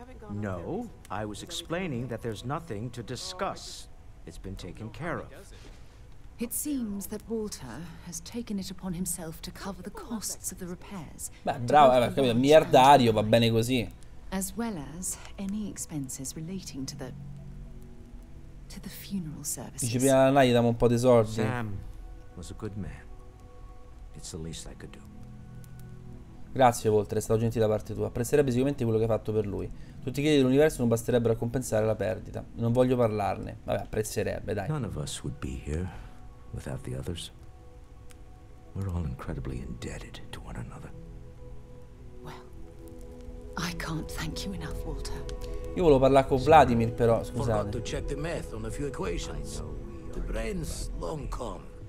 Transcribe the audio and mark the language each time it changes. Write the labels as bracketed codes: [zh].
[en] No, I was explaining that there's nothing to discuss. It's been taken care of. It seems that Walter has taken it upon himself to cover the costs of the repairs. [it] Beh, bravo, capito, miliardario, va bene così. [en] As well as any expenses relating to the funeral services. [it] Dice prima la Naya, dammi un po' di soldi. [en] Sam was a good man. It's the least I could do. [it] Grazie Walter, è stato gentile da parte tua. Apprezzerebbe sicuramente quello che hai fatto per lui. Tutti i crediti dell'universo non basterebbero a compensare la perdita. Non voglio parlarne. Vabbè, apprezzerebbe, dai. [en] None of us would be here without the others. We're all incredibly indebted to one another. Well, I can't thank you enough, Walter. [it] Io volevo parlare con Vladimir, però, scusate. [en] Forgot to check the math on a few equations. The brain's long come.